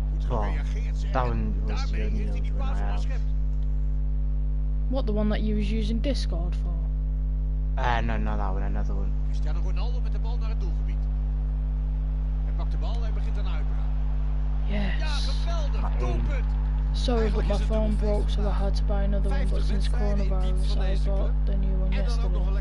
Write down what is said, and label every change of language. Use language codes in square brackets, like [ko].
[en] Well, that one was the only old one I have. What, the one that you was using Discord for? No, not that one, another one. [nl] Cristiano Ronaldo [en] with the ball [nl] naar het doelgebied. Hij pakt de bal en begint een uitbraak. [en] Yes. [nl] Ja, geweldig, doelpunt. [en] Sorry, but my phone broke, so I had to buy another one, but since coronavirus, I bought the new one yesterday.